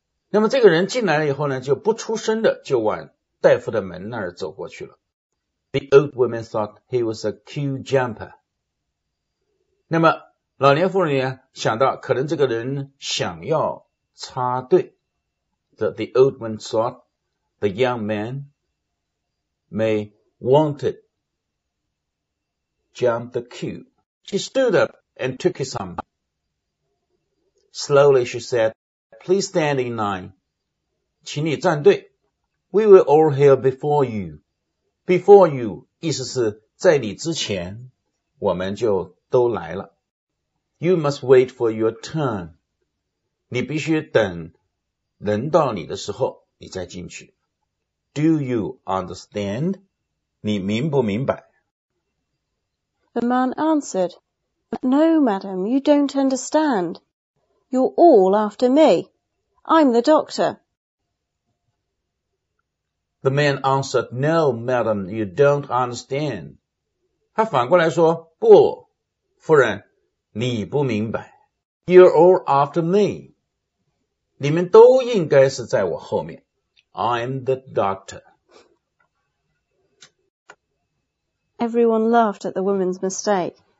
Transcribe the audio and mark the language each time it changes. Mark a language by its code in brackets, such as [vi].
[zh] 那么这个人进来了以后呢，就不出声的就往大夫的门那儿走过去了。 [en] The old woman thought he was a queue jumper. [zh] 那么老年妇人员想到可能这个人想要插队。 [en] The old woman thought the young man may wanted jump the queue. She stood up and took his arm. Slowly she said,Please stand in line. [zh] 请你站队。 [en] We were all here before you. Before you, [zh] 意思是在你之前我们就都来了。 [en] You must wait for your turn. [zh] 你必须等轮到你的时候你再进去。 [en] Do you understand? [zh] 你明不明白? [en] The man answered, No, madam, you don't understand. You're all after me. I'm the doctor. The man answered, No, madam, you don't understand. [zh] 他反过来说，不，夫人，你不明白。 [en] You're all after me. [zh] 你们都应该是在我后面。 [en] I'm the doctor. Everyone laughed at the woman's mistake.